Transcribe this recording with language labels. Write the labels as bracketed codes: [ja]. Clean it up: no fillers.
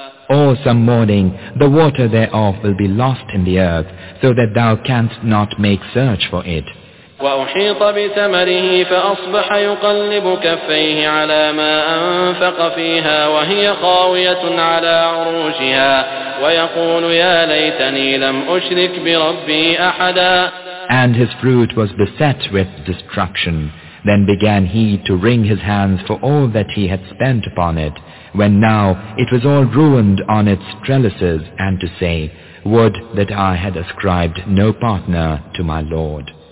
[en] Or some morning the water thereof will be lost in the earth, so that thou canst not make search for it. [ar] وأحيط بثمره فأصبح يقلب كفيه على ما أنفق فيها وهي خاوية على عروشها ويقول يا ليتني لم أشرك بربي أحدا. [en] And his fruit was beset with destruction, Then began he to wring his hands for all that he had spent upon it, when now it was all ruined on its trellises, and to say, Would that I had ascribed no partner to my Lord.